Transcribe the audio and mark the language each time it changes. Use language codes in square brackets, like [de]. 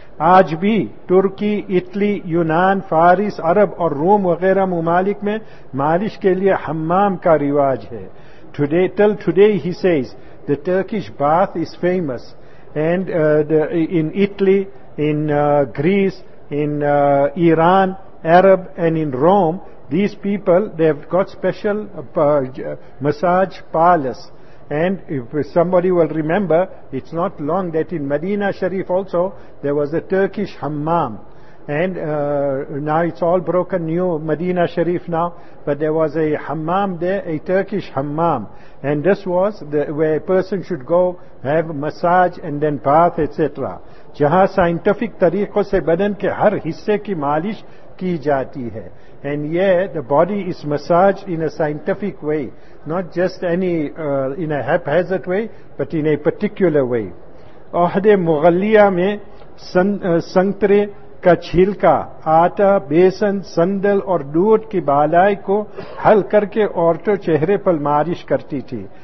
[ur] آج بھی ترکی, اٹلی, یونان, فارس, عرب اور روم وغیرہ ممالک میں مالش کے لیے حمام کا رواج ہے. [en] Today, till today, he says, the Turkish bath is famous, and in Italy, in Greece, in Iran, Arab, and in Rome, these people, they have got special massage parlors. And if somebody will remember, it's not long that in Medina Sharif also, there was a Turkish hammam. And now it's all broken new, Medina Sharif now, but there was a hammam there, a Turkish hammam. And this was where a person should go, have a massage and then bath, etc. [ur] جہاں scientific طریقوں سے بدن کے ہر حصے کی مالش کی جاتی ہے. [en] And yet the body is massaged in a scientific way, not just any in a haphazard way, but in a particular way. [ur] عہد مغلیہ میں سنترے کا چھلکا, آٹا, بیسن, سندل اور دودھ کی بالائی کو حل کر کے عورتوں چہرے پر مالش کرتی تھی.